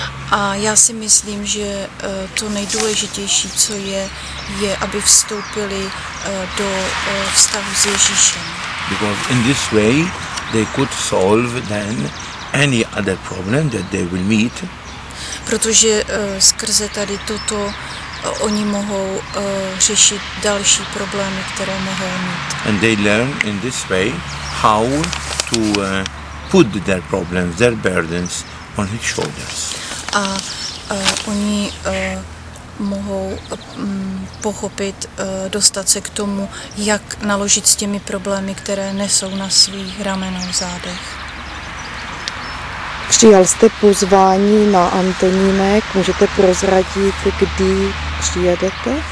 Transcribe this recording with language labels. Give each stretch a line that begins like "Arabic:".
Czech: A já si myslím, že to nejdůležitější, co je aby vstoupili do vztahu s Ježíšem.
English: Because in this way they could solve then any other problem that they will meet.
Czech: Protože skrze tady toto oni mohou řešit další problémy, které mohou mít.
English: And they learn in this way how to put their problems, their burdens on his shoulders.
Czech: A oni mohou pochopit, dostat se k tomu, jak naložit s těmi problémy, které nesou na svých ramenou zádech. Přijal jste pozvání na Antonínek, můžete prozradit, kdy přijedete?